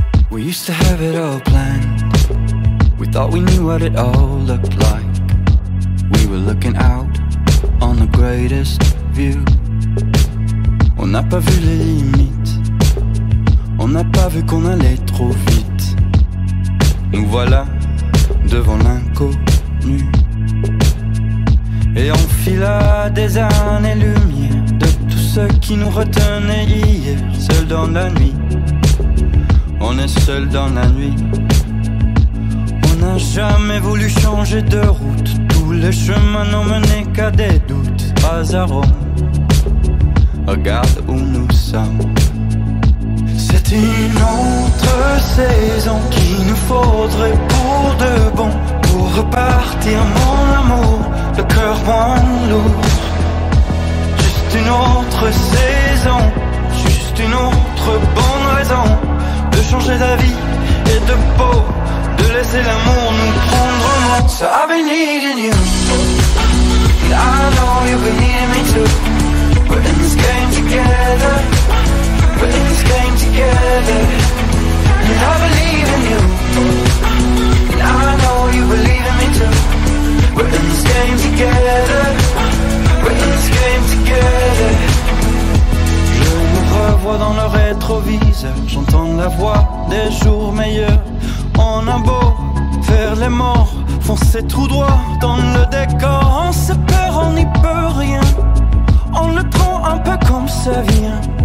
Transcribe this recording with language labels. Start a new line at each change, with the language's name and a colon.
English: We used to have it all planned. We thought we knew what it all looked like. We were looking out on the greatest view.
French: On n'a pas vu les limites. On n'a pas vu qu'on allait trop vite. Nous voilà devant l'inconnu. Et on fila des années-lumière de tout ce qui nous retenait hier. Seul dans la nuit, on est seul dans la nuit. On n'a jamais voulu changer de route. Tous les chemins n'ont mené qu'à des doutes. Hasard, regarde où nous sommes. C'est une autre saison qu'il nous faudrait pour de bon. Pour repartir mon amour, le cœur moins lourd. Juste une autre saison, juste une autre bonne raison de changer d'avis et de peau, de laisser l'amour nous prendre en main.
English: So I've been needing you, and I know you've been needing me too. We're in this game together, we're in this game together. And I believe in you, and I know you believe in me too. We're in this game together, we're in this game together.
French: Je me revois dans le rétroviseur, j'entends la voix des jours meilleurs. On a beau faire les morts, foncer tout droit dans le décor. On se perd, on n'y peut rien. On le prend un peu comme ça vient.